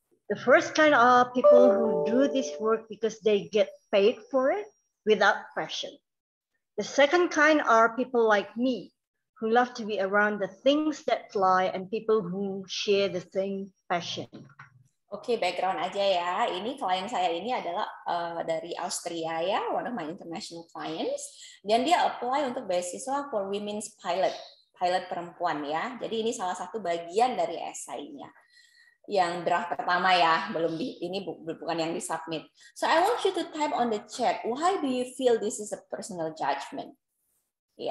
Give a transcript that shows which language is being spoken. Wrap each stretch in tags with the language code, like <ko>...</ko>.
<en>The first kind are people who do this work because they get paid for it without passion. The second kind are people like me who love to be around the things that fly and people who share the same passion.</en> <id>Okay, background aja ya. Ini klien saya ini adalah dari Austria ya, one of my international clients. Dan dia apply untuk beasiswa for women's pilot. Pilot perempuan ya, jadi ini salah satu bagian dari esainya yang draft pertama ya, belum di, ini bukan yang disubmit.</id> <en>So I want you to type on the chat, why do you feel this is a personal judgment, ya?</en>